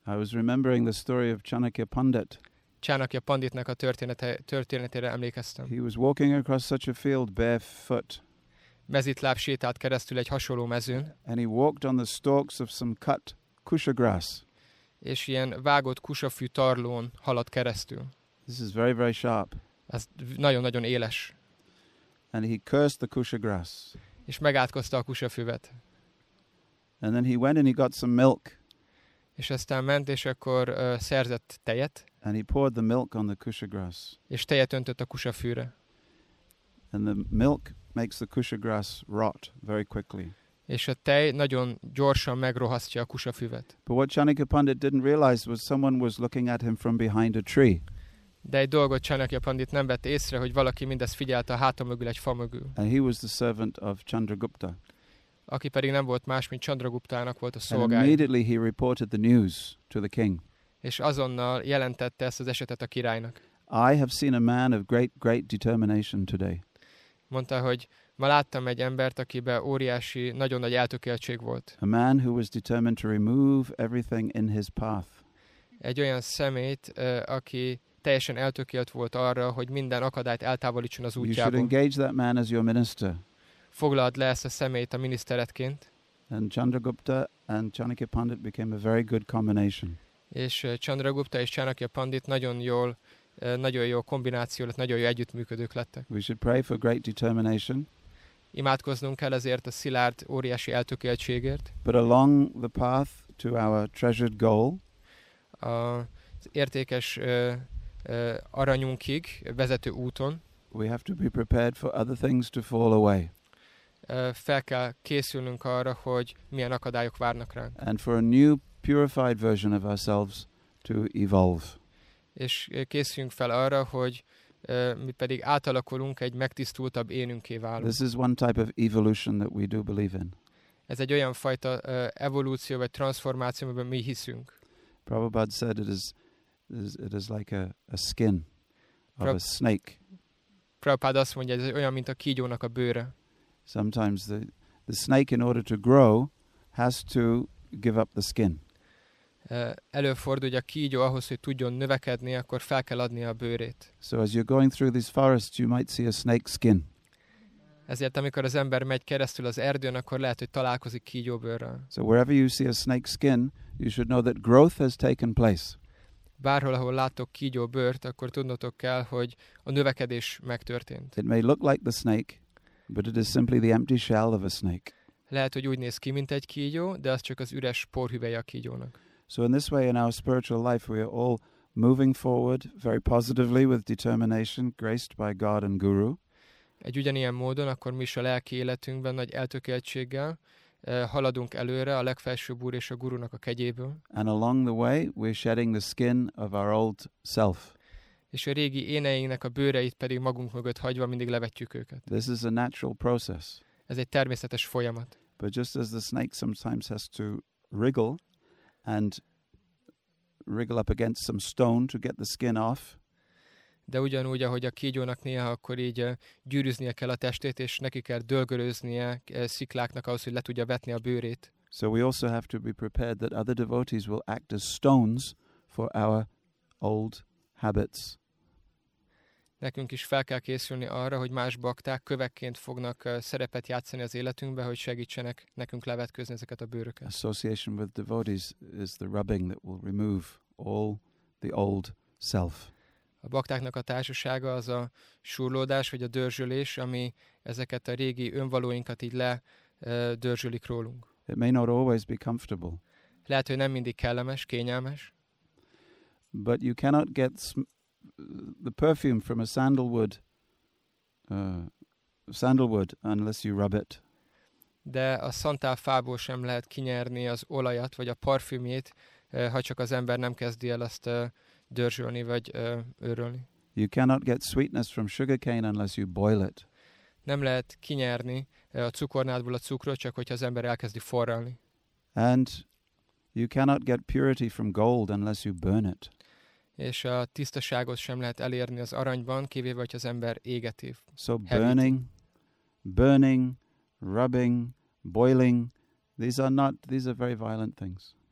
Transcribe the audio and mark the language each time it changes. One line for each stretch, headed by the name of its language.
English: I was remembering the story of Chanakya Pandit.
Hungarian: Chanakya Panditnak a történetére emlékeztem.
English: He was walking across such a field barefoot.
Hungarian: Mezítláb sétált keresztül egy hasonló mezőn.
English: And he walked on the stalks of some cut kusha grass.
Hungarian: És ilyen vágott kusafű tarlón haladt keresztül.
English: This is very, very sharp.
Hungarian: Ez nagyon-nagyon éles.
English: And he cursed the kusha grass.
Hungarian: És megátkozta a kusafüvet.
English: And then he went and he got some milk.
Hungarian: És aztán ment, és akkor szerzett tejet.
English: And he poured the milk on the kusha grass.
Hungarian: És tejet öntött a kusafűre.
English: And the milk makes the kusha grass rot very quickly.
Hungarian: És a tej nagyon gyorsan megrohasztja a kusafüvet.
English: But what Chanakya Pandit didn't realize was someone was looking at him from behind a tree.
Hungarian: De egy dolgot Chanakya Pandit nem vett észre, hogy valaki mindezt figyelte a háta mögül, egy fa mögül.
English: And he was the servant of Chandragupta.
Hungarian: Aki pedig nem volt más, mint Chandraguptának volt a szolgája.
English: And immediately he reported the news to the king.
Hungarian: És azonnal jelentette ezt az esetet a királynak.
English: I have seen a man of great, great determination today.
Hungarian: Mondta, hogy ma láttam egy embert, akiben óriási, nagyon nagy eltökéltség volt.
English: A man who was determined to remove everything in his path.
Hungarian: Egy olyan szemét, aki teljesen eltökélt volt arra, hogy minden akadályt eltávolítson az útjából.
English: You should engage that man as your minister.
Hungarian: Foglald le ezt a szemét a miniszteretként.
English: And Chandragupta and Chanakya Pandit became a very good combination.
Hungarian: És Chandragupta és Chanakya Pandit nagyon jó kombináció lett, nagyon jó együttműködők lettek.
English: We should pray for great determination.
Hungarian: Imádkoznunk kell ezért a szilárd, óriási eltökéltségért.
English: But along the path to our treasured goal.
Hungarian: Az értékes aranyunkig vezető úton.
English: We have to be prepared for other things to fall away.
Hungarian: Fel kell készülnünk arra, hogy milyen akadályok várnak ránk.
English: And for a new purified version of ourselves to evolve.
Hungarian: És készüljünk fel arra, hogy mi pedig átalakulunk egy megtisztultabb énünké válunk.
English: This is one type of evolution that we do believe in.
Hungarian: Ez egy olyan fajta evolúció vagy transformáció, amiben mi hiszünk.
English: Prabhupada said it is like a skin of a snake.
Hungarian: Prabhupada azt mondja, ez olyan, mint a kígyónak a bőre.
English: Sometimes the snake, in order to grow, has to give up the skin.
Hungarian: Előfordul, hogy a kígyó ahhoz, hogy tudjon növekedni, akkor fel kell adnia a bőrét.
English: So as you're going through these forests, you might see a snake skin.
Hungarian: Ezért, amikor az ember megy keresztül az erdőn, akkor lehet, hogy találkozik kígyóbőrrel.
English: So wherever you see a snake skin, you should know that growth has taken place.
Hungarian: bárhol, ahol láttok kígyó bőrt, akkor tudnotok kell, hogy a növekedés megtörtént.
English: It may look like the snake, but it is simply the empty shell of a snake.
Hungarian: Lehet, hogy úgy néz ki, mint egy kígyó, de az csak az üres porhüvely a kígyónak.
English: So in this way in our spiritual life we are all moving forward very positively with determination graced by God and Guru.
Hungarian: Egy ugyanilyen módon akkor mi is a lelki életünkben nagy eltökéltséggel haladunk előre a legfelsőbb úr és a gurunak a kegyéből.
English: And along the way we're shedding the skin of our old self.
Hungarian: És a régi éneinknek a bőreit pedig magunk mögött hagyva mindig levetjük őket.
English: This is a natural process.
Hungarian: Ez egy természetes folyamat.
English: But just as the snake sometimes has to wriggle and wriggle up against some stone to get the skin off.
Hungarian: De ugyanúgy, ahogy a kígyónak néha, akkor így gyűrűznie kell a testét, és neki kell dölgöröznie szikláknak ahhoz, hogy le tudja vetni a bőrét.
English: So we also have to be prepared that other devotees will act as stones for our old habits.
Hungarian: Nekünk is fel kell készülni arra, hogy más bakták kövekként fognak szerepet játszani az életünkbe, hogy segítsenek nekünk levetkőzni ezeket a bőröket.
English: Association with devotees is the rubbing that will remove all the old self.
Hungarian: A baktáknak a társasága az a súrlódás, vagy a dörzsölés, ami ezeket a régi önvalóinkat így ledörzsölik rólunk.
English: It may not always be comfortable.
Hungarian: Lehet, hogy nem mindig kellemes, kényelmes.
English: But you cannot get the perfume from a sandalwood unless you rub it.
Hungarian: De a szantálfából sem lehet kinyerni az olajat vagy a parfümjét, ha csak az ember nem kezdi el azt dörzsölni vagy őrölni.
English: You cannot get sweetness from sugarcane unless you boil it.
Hungarian: Nem lehet kinyerni a cukornádból a cukrot, csak hogyha az ember elkezdi forralni.
English: And you cannot get purity from gold unless you burn it.
Hungarian: És a tisztaságot sem lehet elérni az aranyban, kivéve, hogy az ember égeti.
English: So burning, burning, rubbing, boiling, these are very violent things.